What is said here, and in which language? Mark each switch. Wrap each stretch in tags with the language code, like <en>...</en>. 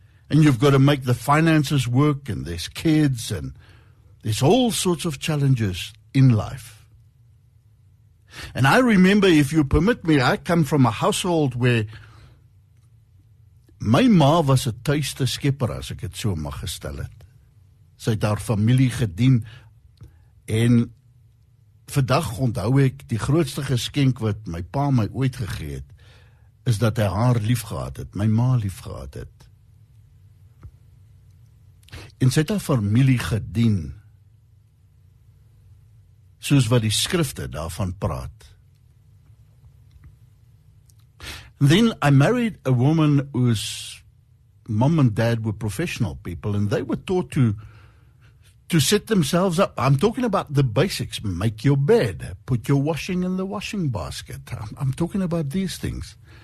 <en>And you've got to make the finances work and there's kids and there's all sorts of challenges in life. And I remember, if you permit me, I come from a household where my ma was a</en> <af>tuiste skepper, as ek het so mag gestel het. Sy het haar familie gedien en vandag onthou ek die grootste geskenk wat my pa my ooit gegee het, is dat hy haar lief gehad het, my ma lief gehad het. En sy het haar familie gedien, soos wat die skrifte daarvan praat.</af> <en>And then I married a woman whose mom and dad were professional people, and they were taught to set themselves up. I'm talking about the basics. Make your bed. Put your washing in the washing basket. I'm talking about these things.</en>